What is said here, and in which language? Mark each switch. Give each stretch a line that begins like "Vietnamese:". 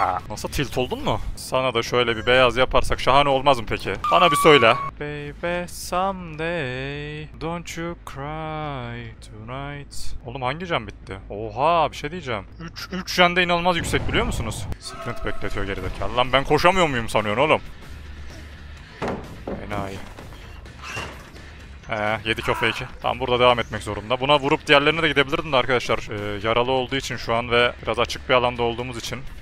Turkish: Nasıl tilt oldun mu? Sana da şöyle bir beyaz yaparsak şahane olmaz mı peki? Bana bir söyle.
English: Baby someday don't you cry tonight.
Turkish: Oğlum hangi jam bitti? Oha, bir şey diyeceğim. 3 jende inanılmaz yüksek biliyor musunuz? Sprint bekletiyor gerideki. Lan ben koşamıyor muyum sanıyorsun oğlum? Enayi. 7 köfe 2. Tamam, burada devam etmek zorunda. Buna vurup diğerlerine de gidebilirdim de arkadaşlar. Yaralı olduğu için şu an ve biraz açık bir alanda olduğumuz için.